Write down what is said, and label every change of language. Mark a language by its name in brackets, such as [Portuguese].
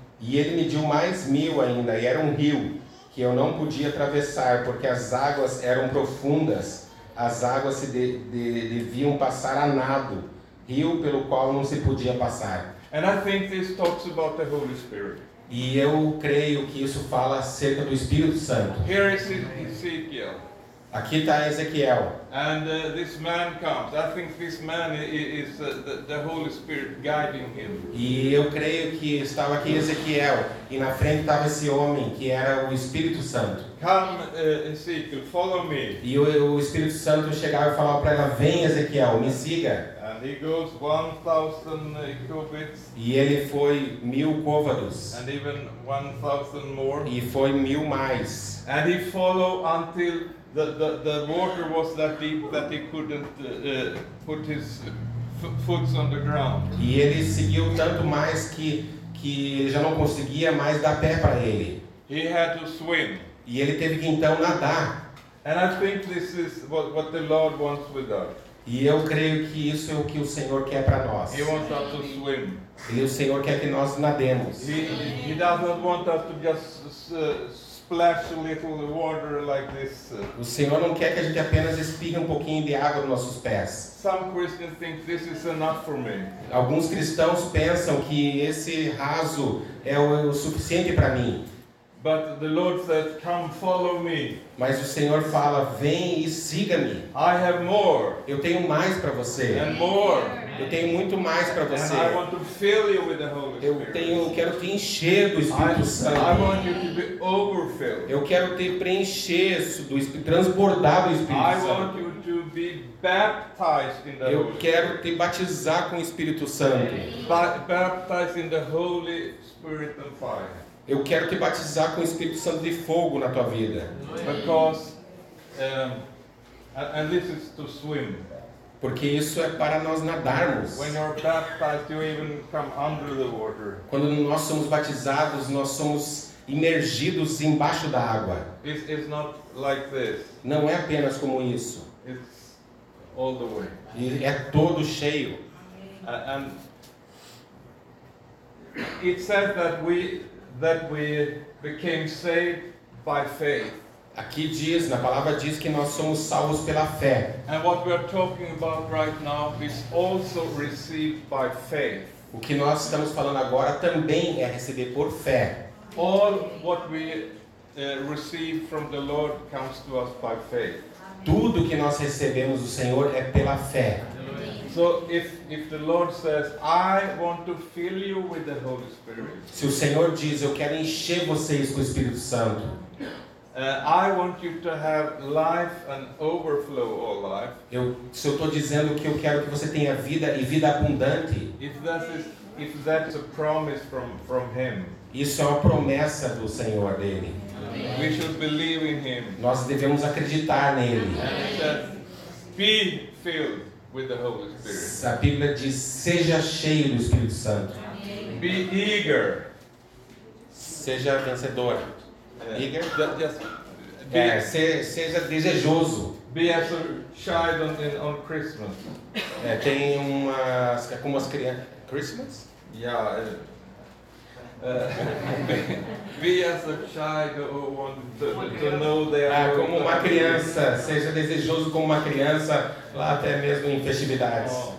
[Portuguese] E ele mediu mais 1,000 ainda, e era um rio que eu não podia atravessar, porque as águas eram profundas, as águas se deviam passar a nado, rio pelo qual não se podia passar. [English] And I think this talks about the Holy Spirit. [Portuguese] E eu creio que isso fala acerca do Espírito Santo. [English] Here is Ezekiel. [Portuguese] Aqui está Ezequiel. [English] And this man comes. I think this man is the Holy Spirit guiding him. [Portuguese] E eu creio que estava aqui Ezequiel e na frente estava esse homem que era o Espírito Santo. [English] Come, Ezekiel, follow me. [Portuguese] E o Espírito Santo chegava e falava para ela: vem, Ezequiel, me siga. [English] And he goes 1,000 cubits. [Portuguese] E ele foi 1,000 côvados. [English] And even 1,000 more. [Portuguese] E foi 1,000 mais. [English] And he followed until the water was that deep that he couldn't put his foot on the ground. [Portuguese] E ele seguiu tanto mais que ele já não conseguia mais dar pé para ele. [English] He had to swim. [Portuguese] E ele teve que então nadar. [English] And I think this is what the Lord wants with us. [Portuguese] E eu creio que isso é o que o Senhor quer para nós. [English] He wants us to swim. [Portuguese] E o Senhor quer que nós nademos. [English] He doesn't want us to just splash a little water like this. [Portuguese] O Senhor não quer que a gente apenas espirre um pouquinho de água nos nossos pés. [English] Some Christians think this is enough for me. [Portuguese] Alguns cristãos pensam que esse raso é o suficiente para mim. [English] But the Lord said, "Come, follow me." [Portuguese] Mas o Senhor fala: "Vem e siga-me." [English] I have more. [Portuguese] Eu tenho mais para você. [English] And more. [Portuguese] Eu tenho muito mais para você. [English] And I want to fill you with the Holy Spirit. [Portuguese] Eu quero te encher do Espírito Santo. [English] I want you to be overfilled. [Portuguese] Eu quero te preencher do Espírito, transbordar do Espírito [English] I [Portuguese] Santo. [English] I want you to be baptized in the [Portuguese] Eu [English] Holy Spirit. [Portuguese] Quero te batizar com o Espírito Santo. [English] Baptized in the Holy Spirit and fire. [Portuguese] Eu quero te batizar com o Espírito Santo de fogo na tua vida. [English] Because, and this is to swim. [Portuguese] Porque isso é para nós nadarmos. [English] When you're baptized, you even come under the water. [Portuguese] Quando nós somos batizados, nós somos imergidos embaixo da água. [English] It's not like this. [Portuguese] Não é apenas como isso. [English] It's all the way. [Portuguese] E é todo cheio. [English] And it says that we became saved by faith. [Portuguese] Aqui diz, na palavra diz que nós somos salvos pela fé. [English] And what we are talking about right now is also received by faith. [Portuguese] O que nós estamos falando agora também é receber por fé. [English] All what we receive from the Lord comes to us by faith. [Portuguese] Tudo que nós recebemos do Senhor é pela fé. [English] So if the Lord says, I want to fill you with the Holy Spirit. [Portuguese] Se o Senhor diz, eu quero encher vocês com o Espírito Santo. [English] I want you to have life and overflow all life. [Portuguese] Se eu estou dizendo que eu quero que você tenha vida e vida abundante. [English] If that's a promise from him. [Portuguese] Isso é uma promessa do Senhor dele. [English] We should believe in him. [Portuguese] Nós devemos acreditar nele. [English] Be filled with the Holy Spirit. [Portuguese] A Bíblia diz: seja cheio do Espírito Santo. [English] Be eager. [Portuguese] Seja vencedor. Seja desejoso. [English] Be as a child on Christmas. [Portuguese] Tem umas, como as crianças. [English] Christmas? Yeah. Be as a child who wants to know their. [Portuguese] Como uma criança, seja desejoso como uma criança, lá até mesmo em festividades.